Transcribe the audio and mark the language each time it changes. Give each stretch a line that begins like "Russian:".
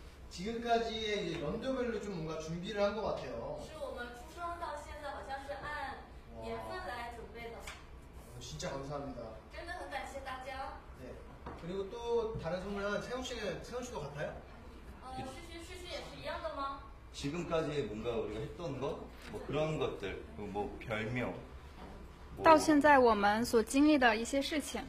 Korean: 지금까지의 이제 연도별로 좀 뭔가 준비를 한 것 같아요.
Chinese: 是我们出生到现在好像是按年份来准备的.
Korean: 진짜 감사합니다.
Chinese: 真的很感谢大家.
Korean: 네. 그리고 또 다른 선물은 세훈 씨도 같아요?
Chinese: 是也是一样的吗?
Korean: 지금까지 뭔가 우리가 했던 거, 뭐 그런 것들, 뭐 별명.
Chinese: 到现在我们所经历的一些事情.